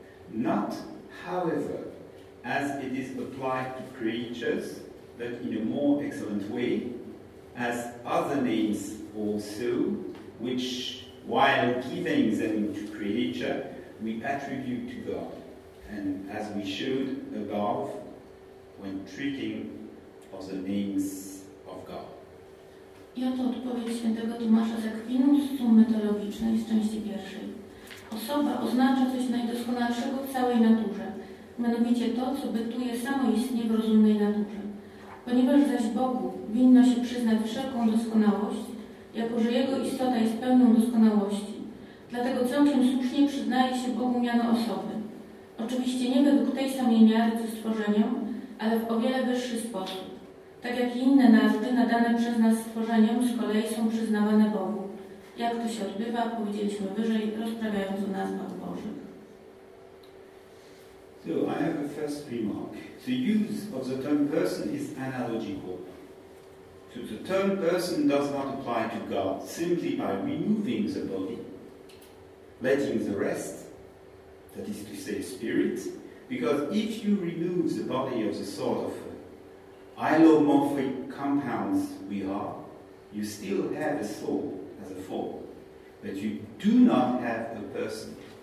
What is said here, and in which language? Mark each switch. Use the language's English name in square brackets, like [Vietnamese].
[English] Not, however, as it is applied to creatures, but in a more excellent way, as other names also, which, while giving them to creature, we attribute to God. And as we showed above, when treating of the names of God. [Polish] I oto odpowiedź świętego Tomasza z Akwinu z sum metodologicznej z części pierwszej. Osoba oznacza coś najdoskonalszego w całej naturze, mianowicie to, co bytuje samoistnie w rozumnej naturze. Ponieważ zaś Bogu winno się przyznać wszelką doskonałość, jako że Jego istota jest pełną doskonałości, dlatego całkiem słusznie przyznaje się Bogu miano osoby. Oczywiście nie według tej samej miary co stworzeniom, ale w o wiele wyższy sposób. Tak jak i inne nazwy nadane przez nas stworzeniom z kolei są przyznawane Bogu. Jak to się odbywa, powiedzieliśmy wyżej, rozprawiając o nazwach Bożych. [English] So, I have a first remark. The use of the term person is analogical. So the term person does not apply to God simply by removing the body, letting the rest, that is to say spirit, because if you remove the body of the sort of allomorphic compounds we are, you still have a soul as a form, but you do not have a person.